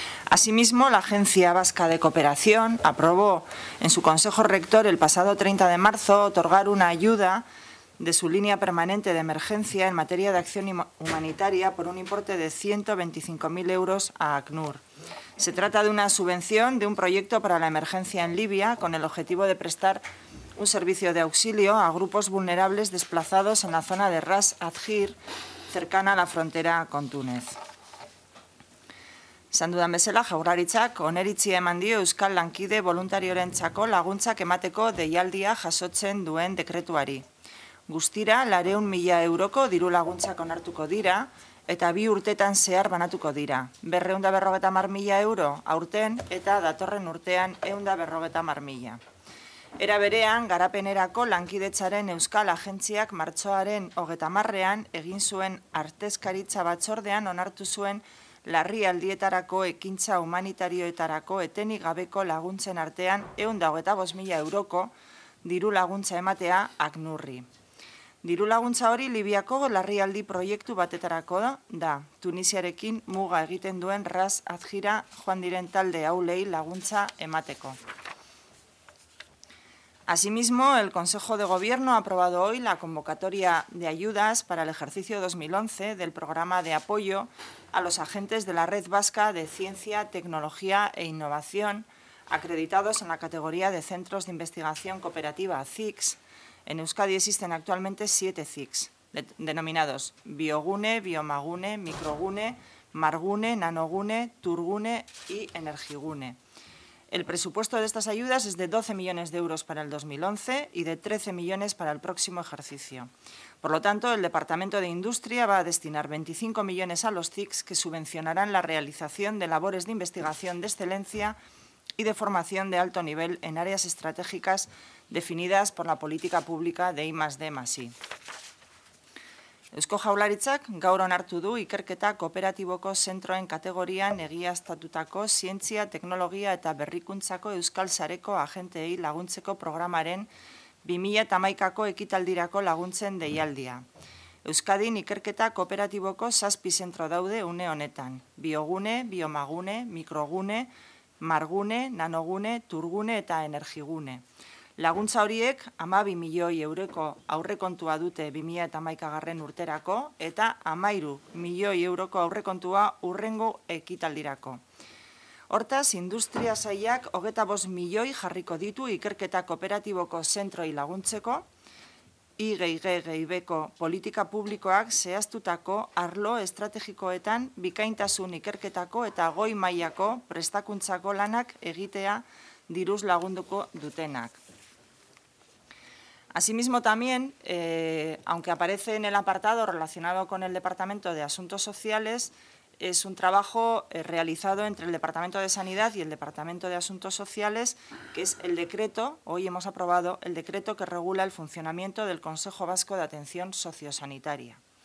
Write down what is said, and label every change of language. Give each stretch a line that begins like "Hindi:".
Spanish: Asimismo, la Agencia Vasca de Cooperación aprobó en su Consejo Rector el pasado 30 de marzo otorgar una ayuda de su línea permanente de emergencia en materia de acción humanitaria por un importe de 125.000 euros a ACNUR. Se trata de una subvención de un proyecto para la emergencia en Libia con el objetivo de prestar un servicio de auxilio a grupos vulnerables desplazados en la zona de Ras Adjir, cercana a la frontera con Túnez.
Basque: Esan dudan bezala, Jaurlaritzak oneritzia eman dio Euskal Lankide voluntariorentzako laguntzak emateko deialdia jasotzen duen dekretuari. Guztira, 400.000 euroko diru laguntzak onartuko dira eta bi urtetan zehar banatuko dira. 250.000 euro aurten eta datorren urtean 150.000. Era berean, garapenerako lankidetzaren Euskal Agentziak martxoaren 30ean egin zuen arteskaritza batzordean onartu zuen larrialdietarako ekintza humanitarioetarako etenik gabeko laguntzen artean 125.000 euroko diru laguntza ematea ACNURRI. Diru laguntza hori Libiako larrialdi proiektu batetarako da, Tunisiarekin muga egiten duen Ras Adjira joan diren talde haulei laguntza emateko.
Spanish: Asimismo, el Consejo de Gobierno ha aprobado hoy la convocatoria de ayudas para el ejercicio 2011 del programa de apoyo a los agentes de la Red Vasca de Ciencia, Tecnología e Innovación, acreditados en la categoría de Centros de Investigación Cooperativa, CICS. En Euskadi existen actualmente 7 CICS, denominados Biogune, Biomagune, Microgune, Margune, Nanogune, Turgune y Energigune. El presupuesto de estas ayudas es de 12 millones de euros para el 2011 y de 13 millones para el próximo ejercicio. Por lo tanto, el Departamento de Industria va a destinar 25 millones a los CICS que subvencionarán la realización de labores de investigación de excelencia y de formación de alto nivel en áreas estratégicas definidas por la política pública de I+D+I.
Basque: Eusko Jaurlaritzak gaur onartu du ikerketa kooperatiboko zentroen kategorian egiaztatutako zientzia, teknologia eta berrikuntzako Euskal Sareko agenteei laguntzeko programaren 2011ko ekitaldirako laguntzen deialdia. Euskadin ikerketa kooperatiboko 7 zentro daude une honetan: Biogune, Biomagune, Mikrogune, Margune, Nanogune, Turgune eta Energigune. Laguntza horiek 12 milioi euroko aurrekontua dute 2011garren urterako eta 13 milioi euroko aurrekontua urrengo ekitaldirako. Hortaz, Industria Sailak 25 milioi jarriko ditu ikerketa kooperatiboko zentroi laguntzeko IGGGB-ko politika publikoak zehaztutako arlo estrategikoetan bikaintasun ikerketako eta goi mailako prestakuntzako lanak egitea diruz lagunduko dutenak.
Spanish: Asimismo, también, aunque aparece en el apartado relacionado con el Departamento de Asuntos Sociales, es un trabajo realizado entre el Departamento de Sanidad y el Departamento de Asuntos Sociales, que es el decreto, hoy hemos aprobado, el decreto que regula el funcionamiento del Consejo Vasco de Atención Sociosanitaria.